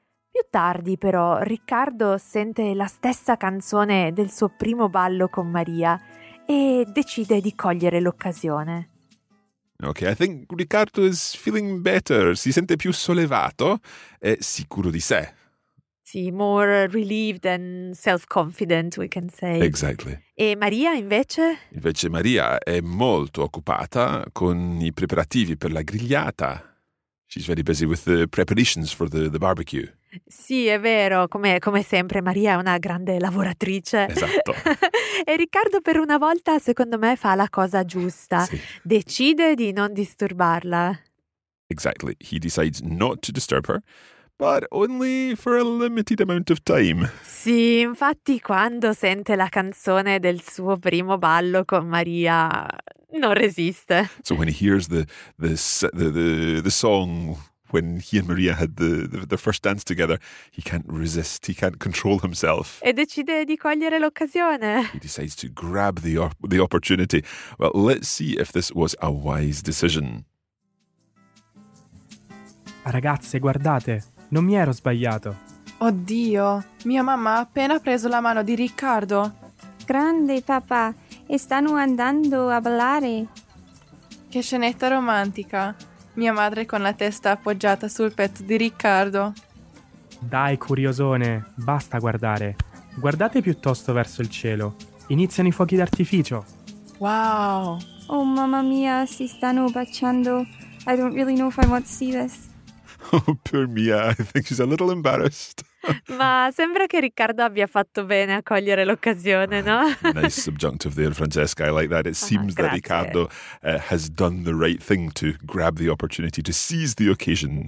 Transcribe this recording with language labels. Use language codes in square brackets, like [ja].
[it] Più tardi però Riccardo sente la stessa canzone del suo primo ballo con Maria e decide di cogliere l'occasione. [en] Okay, I think Riccardo is feeling better. [it] Si sente più sollevato e sicuro di sé. [en] Sì, more relieved and self-confident, we can say. Exactly. [it] E Maria, invece? Invece Maria è molto occupata con i preparativi per la grigliata. [en] She's very busy with the preparations for the barbecue. [it] Sì, è vero. Come sempre, Maria è una grande lavoratrice. Esatto. E Riccardo per una volta, secondo me, fa la cosa giusta. Sì. Decide di non disturbarla. [en] Exactly. He decides not to disturb her, but only for a limited amount of time. [it] Sì, infatti quando sente la canzone del suo primo ballo con Maria, non resiste. [en] So when he hears the song when he and Maria had the first dance together, he can't resist, he can't control himself. [it] E decide di cogliere l'occasione. [en] He decides to grab the opportunity. Well, let's see if this was a wise decision. [it] Ragazze, guardate, non mi ero sbagliato. Oddio, mia mamma ha appena preso la mano di Riccardo. Grande, papà. E stanno andando a ballare. Che scenetta romantica. Mia madre con la testa appoggiata sul petto di Riccardo. Dai, curiosone, basta guardare. Guardate piuttosto verso il cielo. Iniziano i fuochi d'artificio. Wow! Oh, mamma mia, si stanno baciando. [en] I don't really know if I want to see this. Oh, poor Mia, I think she's a little embarrassed. [it] Ma sembra che Riccardo abbia fatto bene a cogliere l'occasione, no? [en] Nice subjunctive there, Francesca. I like that. It seems that Riccardo has done the right thing to grab the opportunity, to seize the occasion.